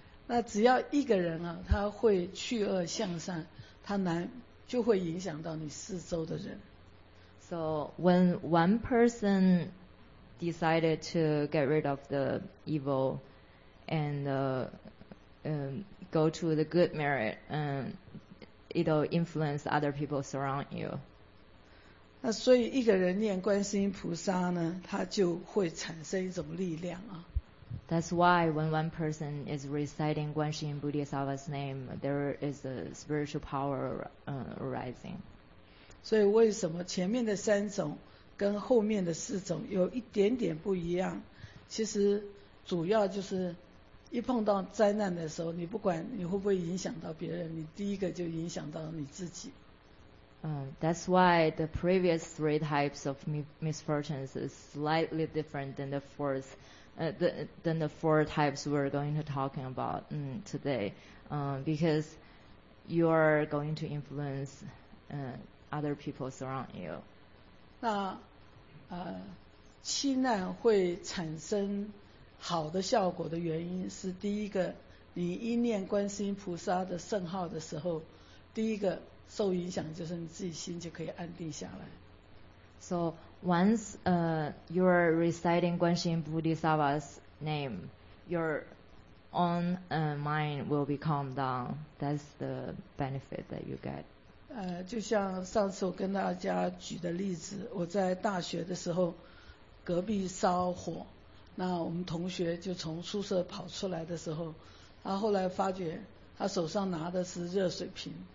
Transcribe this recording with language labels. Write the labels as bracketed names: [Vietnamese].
[Chinese] 那只要一个人啊，他会去恶向善，他难就会影响到你四周的人。 [English] So when one person decided to get rid of the evil and go to the good merit, it'll influence other people surround you. [Chinese] 那所以一个人念观世音菩萨呢，他就会产生一种力量啊。 [English] That's why when one person is reciting Guanxin Bodhisattva's name, there is a spiritual power arising. [Chinese] 所以为什么前面的三种跟后面的四种有一点点不一样？其实主要就是一碰到灾难的时候，你不管你会不会影响到别人，你第一个就影响到你自己。 [English] That's why the previous three types of misfortunes is slightly different than the fourth, than the four types we're going to talk about today. Because you are going to influence other people around you. [Chinese] 那七难会产生好的效果的原因是，第一个，你一念观世音菩萨的圣号的时候，第一个受影响就是你自己心就可以安定下来。 [English] So once you are reciting 观世音菩提萨瓦's name, your own mind will be calmed down. That's the benefit that you get. [Chinese] 就像上次我跟大家举的例子，我在大学的时候，隔壁烧火，那我们同学就从宿舍跑出来的时候，他后来发觉他手上拿的是热水瓶。